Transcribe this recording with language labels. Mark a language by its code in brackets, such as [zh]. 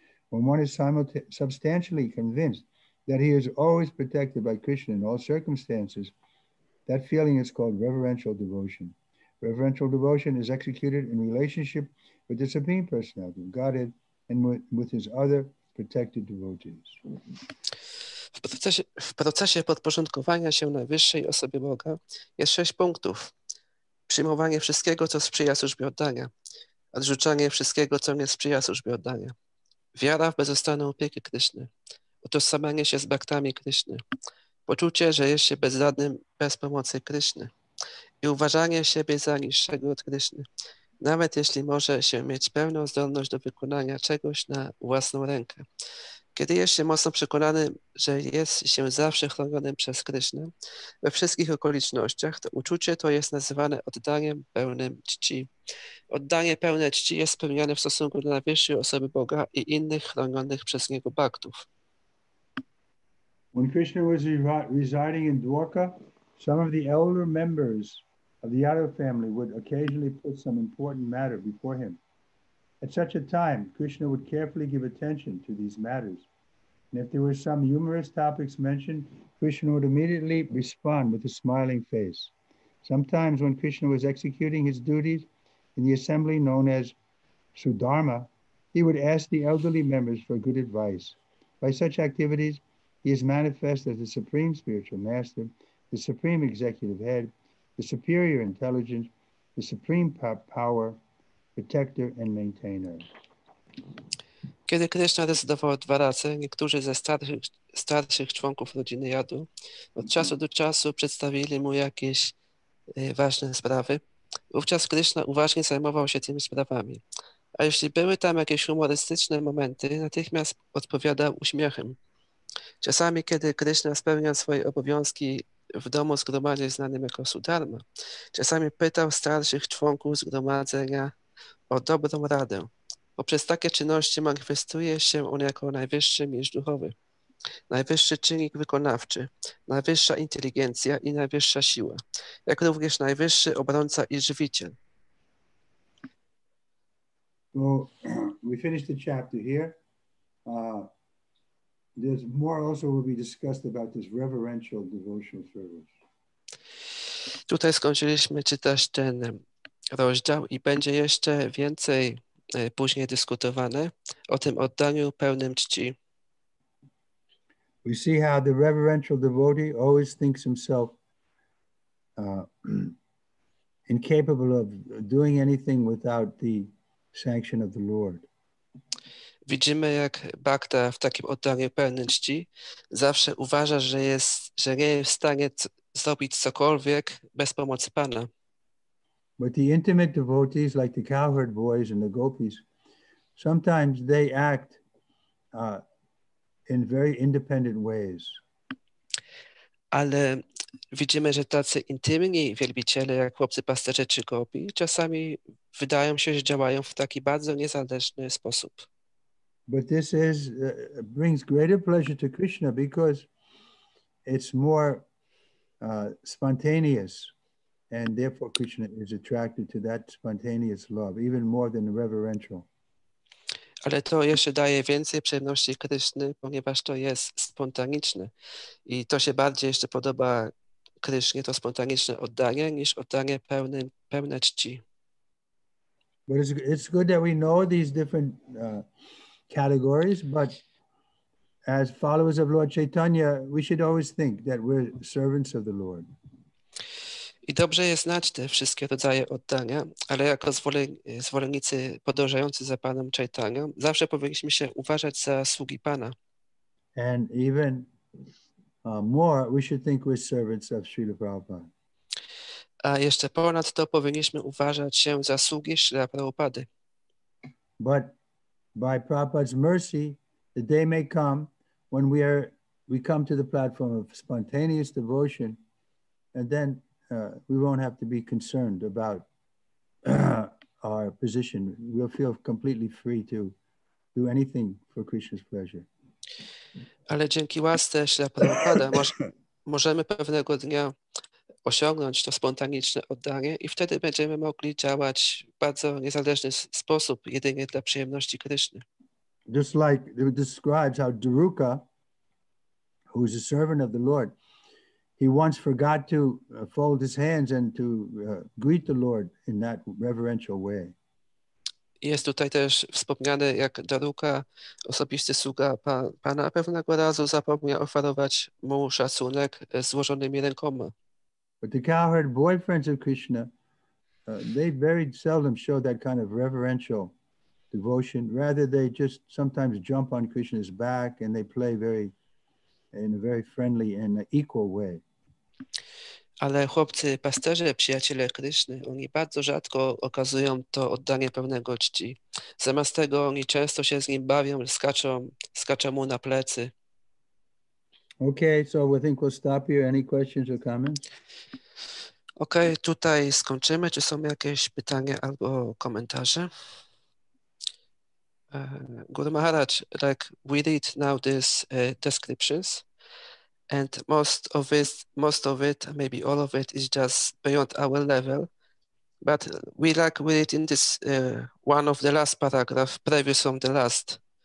[en] When one is substantially convinced that he is always protected by Krishna in all circumstances, that feeling is called reverential devotion. Reverential devotion is executed in relationship with the Supreme Personality of Godhead and with his other protected devotees. [pl] W procesie podporządkowania się najwyższej osobie Boga jest 6 punktów. Przyjmowanie wszystkiego, co sprzyja służbie oddania. Odrzucanie wszystkiego, co nie sprzyja służbie oddania. Wiara w bezostanną opiekę Kryszny. Utożsamianie się z bhaktami Kryszny. Poczucie, że jest się bezradnym bez pomocy Kryszny. I uważanie siebie za niższego od Kryszny, nawet jeśli może się mieć pełną zdolność do wykonania czegoś na własną rękę. Kiedy jest się mocno przekonany, że jest się zawsze chronionym przez Krysznę we wszystkich okolicznościach, to uczucie to jest nazywane oddaniem pełnym czci. Oddanie pełne czci jest spełniane w stosunku do najwyższej osoby Boga i innych chronionych przez Niego bhaktów. [en] When Krishna was residing in Dwarka, some of the elder members of the Yadav family would occasionally put some important matter before him. At such a time, Krishna would carefully give attention to these matters. And if there were some humorous topics mentioned, Krishna would immediately respond with a smiling face. Sometimes when Krishna was executing his duties in the assembly known as Sudharma, he would ask the elderly members for good advice. By such activities, he is manifest as the Supreme Spiritual Master, the Supreme Executive Head, the Superior Intelligence, the Supreme Power, Protector and Maintainer. [pl] Kiedy Krishna rezydował w Dwarace, niektórzy ze starszych członków rodziny Jadu od czasu do czasu przedstawili mu jakieś ważne sprawy. Wówczas Krishna uważnie zajmował się tymi sprawami. A jeśli były tam jakieś humorystyczne momenty, natychmiast odpowiadał uśmiechem. Czasami, kiedy Krishna spełniał swoje obowiązki w domu zgromadzeń znanym jako Sudharma, czasami pytał starszych członków zgromadzenia o dobrą radę. Poprzez takie czynności manifestuje się on jako najwyższy mistrz duchowy, najwyższy czynnik wykonawczy, najwyższa inteligencja i najwyższa siła, jak również najwyższy obrońca i żywiciel. [en] So, we finished the chapter here. There's more also will be discussed about this reverential devotional service. [pl] Tutaj skończyliśmy czytać ten rozdział i będzie jeszcze więcej później dyskutowane o tym oddaniu pełnym czci. [en] We see how the reverential devotee always thinks himself incapable of doing anything without the sanction of the Lord. [pl] Widzimy, jak Bhakta w takim oddaniu pełnym czci zawsze uważa, że jest, że nie jest w stanie zrobić cokolwiek bez pomocy Pana. [en] But the intimate devotees, like the cowherd boys and the gopis, sometimes they act in very independent ways. [pl] Ale widzimy, że tacy intymni wielbiciele, jak chłopcy pasterze czy gopi, czasami wydają się, że działają w taki bardzo niezależny sposób. [en] But this is brings greater pleasure to Krishna because it's more spontaneous, and therefore Krishna is attracted to that spontaneous love even more than the reverential. [pl] Ale to jeszcze daje więcej przyjemności Kryszny, ponieważ to jest spontaniczne i to się bardziej jeszcze podoba Krysznie, to spontaniczne oddanie, niż oddanie pełne czci. [en] But it's good that we know these different categories, but as followers of Lord Chaitanya, we should always think that we're servants of the Lord. [pl] I dobrze jest znać te wszystkie rodzaje oddania, ale jako zwolennicy podążający za Panem Chaitanya, zawsze powinniśmy się uważać za sługi Pana. [en] And even more, we should think we're servants of Śrīla Prabhupāda. [pl] A jeszcze ponad to powinniśmy uważać się za sługi Śrīla Prabhupady. [en] But by Prabhupada's mercy, the day may come when we come to the platform of spontaneous devotion, and then we won't have to be concerned about our position. We'll feel completely free to do anything for Krishna's pleasure. [pl] Ale dzięki łasce Śrīla Prabhupada możemy pewnego dnia osiągnąć to spontaniczne oddanie i wtedy będziemy mogli działać w bardzo niezależny sposób, jedynie dla przyjemności Kryszny. [en] Just like it describes how Daruka, who is a servant of the Lord, he once forgot to fold his hands and to greet the Lord in that reverential way. [pl] Jest tutaj też wspomniane, jak Daruka, osobisty sługa Pana, pewnego razu zapomniał oferować mu szacunek złożonymi rękoma. [en] But the cowherd boyfriends of Krishna, they very seldom show that kind of reverential devotion. Rather, they just sometimes jump on Krishna's back and they play in a very friendly and equal way. [pl] Ale chłopcy, pasterze, przyjaciele Kryszny, oni bardzo rzadko okazują to oddanie pełnego czci. Zamiast tego oni często się z nim bawią, skaczą mu na plecy. [en] Okay, so I think we'll stop here. Any questions or comments? [pl] Okay, tutaj skończymy. Czy są jakieś pytania albo komentarze? [en] Guru Maharaj, like we read now these descriptions. And most of it, maybe all of it, is just beyond our level. But we like with it in this one of the last paragraph, previous from the last.